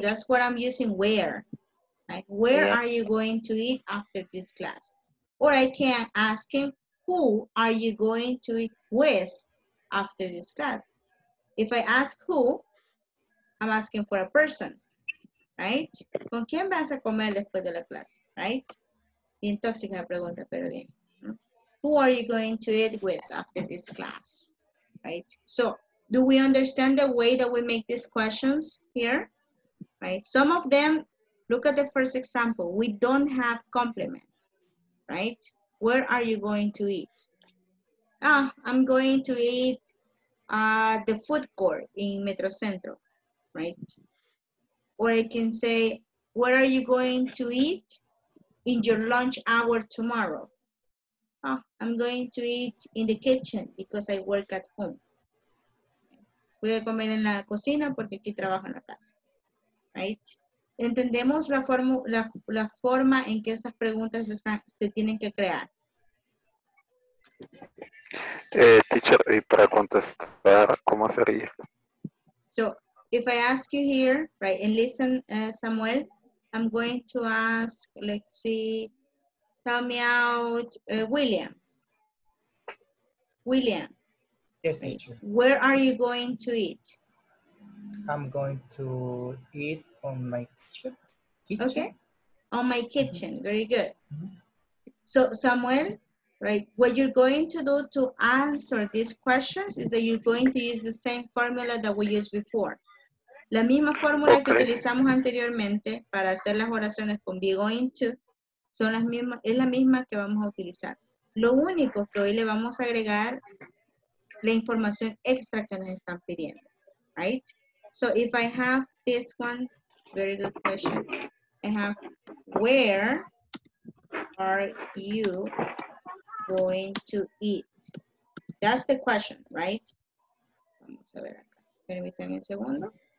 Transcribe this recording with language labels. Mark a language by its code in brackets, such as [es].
[en] Yeah. That's what I'm using, where. Right? Where are you going to eat after this class? Or I can ask him, who are you going to eat with after this class? If I ask who, I'm asking for a person. Right? [es] ¿Con quién vas a comer después de la clase? Right? Bien tóxica la pregunta, pero bien. [en] Who are you going to eat with after this class? Right? So, do we understand the way that we make these questions here? Right? Some of them, look at the first example. We don't have complement. Right? Where are you going to eat? Ah, I'm going to eat the food court in Metro Centro. Right? Or I can say, what are you going to eat in your lunch hour tomorrow? Oh, I'm going to eat in the kitchen because I work at home. [es] Voy a comer en la cocina porque aquí trabajo en la casa. Right? Entendemos la forma en que estas preguntas se tienen que crear. Teacher, y para contestar, ¿cómo sería? [en] So, if I ask you here, right, and listen, Samuel, I'm going to ask, let's see, tell me out, William. William. Yes, teacher. Where are you going to eat? I'm going to eat on my kitchen. Okay. On my kitchen. Mm-hmm. Very good. Mm-hmm. So, Samuel, right, what you're going to do to answer these questions is that you're going to use the same formula that we used before. [es] La misma fórmula que utilizamos anteriormente para hacer las oraciones con be going to son las mismas, es la misma que vamos a utilizar. Lo único que hoy le vamos a agregar la información extra que nos están pidiendo, right? [en] So if I have this one, very good question. I have, where are you going to eat? That's the question, right? [es] Vamos a ver acá. Permítame un segundo.